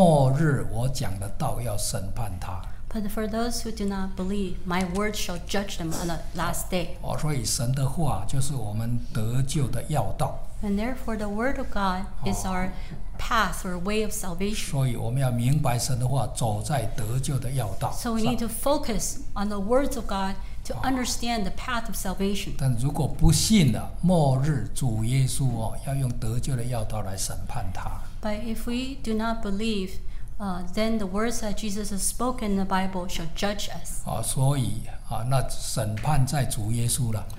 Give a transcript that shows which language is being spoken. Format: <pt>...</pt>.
<zh>但那不信的人，末日我讲的道要审判他。</zh> <en>But for those who do not believe, my word shall judge them on the last day.</en> <zh>所以神的话就是我们得救的要道。</zh> <en>And therefore the word of God is our path or way of salvation.</en> <zh>所以我们要明白神的话，走在得救的要道。</zh> <en>So we need to focus on the words of God to understand the path of salvation.</en> <zh>但如果不信了，末日主耶稣要用得救的要道来审判他。</zh> <en>But if we do not believe, then the words that Jesus has spoken in the Bible shall judge us.</en> <zh>所以那审判在主耶稣了。</zh>